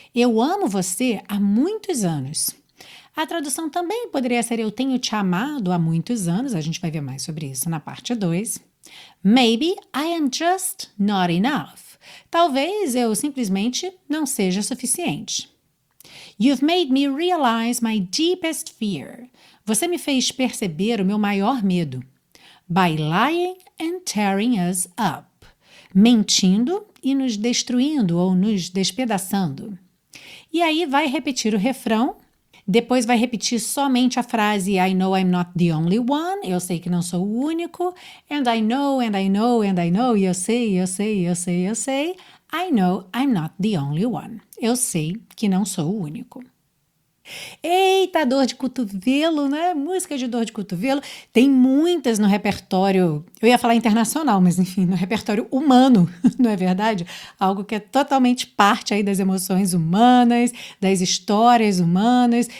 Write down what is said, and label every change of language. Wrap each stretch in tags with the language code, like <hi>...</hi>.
<pt>Eu amo você há muitos anos. A tradução também poderia ser, eu tenho te amado há muitos anos. A gente vai ver mais sobre isso na parte 2.</pt> <en>Maybe I am just not enough.</en> <pt>Talvez eu simplesmente não seja suficiente.</pt> <en>You've made me realize my deepest fear.</en> <pt>Você me fez perceber o meu maior medo.</pt> <en>By lying and tearing us up.</en> <pt>Mentindo e nos destruindo ou nos despedaçando. E aí vai repetir o refrão. Depois vai repetir somente a frase</pt> <en>I know I'm not the only one.</en> <pt>Eu sei que não sou o único.</pt> <en>And I know, and I know, and I know.</en> <pt>Eu sei, eu sei, eu sei, eu sei.</pt> <en>I know I'm not the only one.</en> <pt>Eu sei que não sou o único. Eita, dor de cotovelo, né? Música de dor de cotovelo. Tem muitas no repertório, eu ia falar internacional, mas enfim, no repertório humano, não é verdade? Algo que é totalmente parte aí das emoções humanas, das histórias humanas.</pt>